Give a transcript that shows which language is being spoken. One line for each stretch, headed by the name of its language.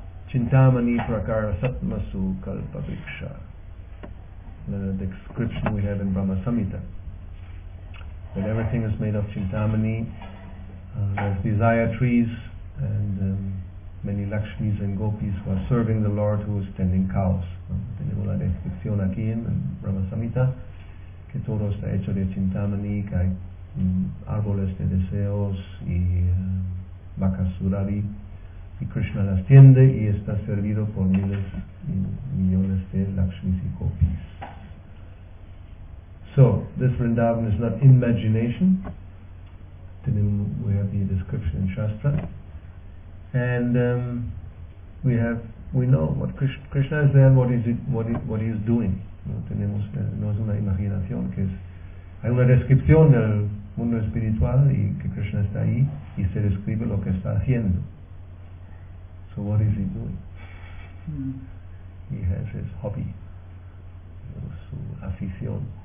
Sanskrit: Chintamani prakara satmasu kalpaviksha.
English: The description we have in Brahma Samhita. That everything is made of chintamani. There's desire trees and many lakshmis and gopis who are serving the Lord who is tending cows.
Spanish: Tenemos la descripción aquí en Brahma Samhita que todo está hecho de chintamani, que hay árboles de deseos y vacas surabi. Y Krishna las tiende y está servido por miles y millones de lakshmis y gopis.
English: So, this Vrindavan is not imagination. We have the description in Shastra. And we know what Krishna is there and what he is doing.
Spanish: No tenemos, no es una imaginación, que es, hay una descripción del mundo espiritual y que Krishna está ahí y se describe lo que está haciendo.
English: So what is he doing? He has his hobby,
Spanish: su afición.